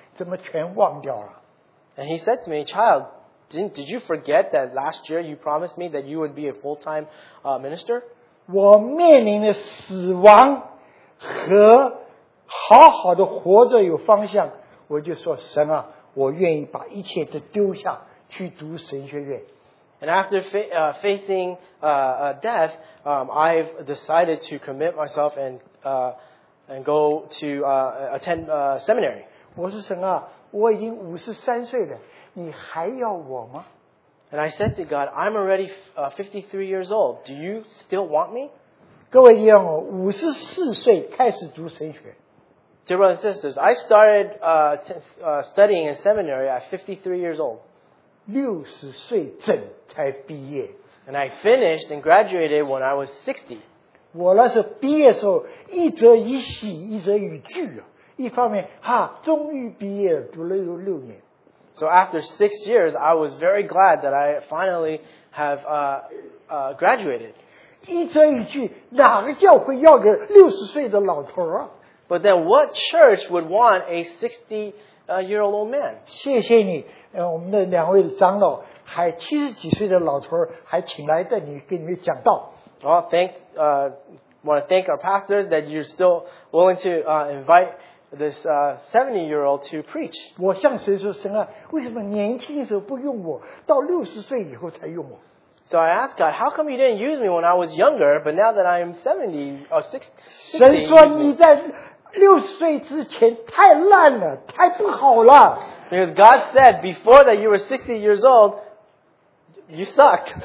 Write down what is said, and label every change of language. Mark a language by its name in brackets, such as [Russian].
[Chinese] 怎么全忘掉了？ [English] And he said to me, child, did you forget that last year you promised me that you would be a full-time minister? [Chinese] 我面临的死亡和好好的活着有方向，我就说神啊，我愿意把一切都丢下去读神学院。 [English] And after facing death, I've decided to commit myself and go to attend seminary. [Chinese] 我说神啊，我已经53岁了，你还要我吗？ [English] And I said to God, I'm already 53 years old. Do you still want me? [Chinese] 各位弟兄，我54岁开始读神学。 [English] Dear brothers and sisters, I started studying in seminary at 53 years old. [Chinese] 60岁整才毕业。 [English] And I finished and graduated when I was 60. [Chinese] 我那时候毕业的时候，一则以喜，一则以惧啊。一方面，哈，终于毕业了，读了有六年。 [English] So after 6 years, I was very glad that I finally have graduated. [Chinese] 一则以惧，哪个教会要个60岁的老头啊？ [English] But then what church would want a 60-year-old old man? [Chinese] 谢谢你，我们的两位长老还七十几岁的老头还请来带你给你们讲道。 [English] Well, want to thank our pastors that you're still willing to invite this 70-year-old to preach. [Chinese] 我向神说神啊，为什么年轻的时候不用我，到60岁以后才用我？ [English] So I asked God, how come you didn't use me when I was younger, but now that I'm 70 or 60? [Chinese] 神说你在六十岁之前太烂了，太不好了。 [English] Because God said before that you were 60 years old, you suck.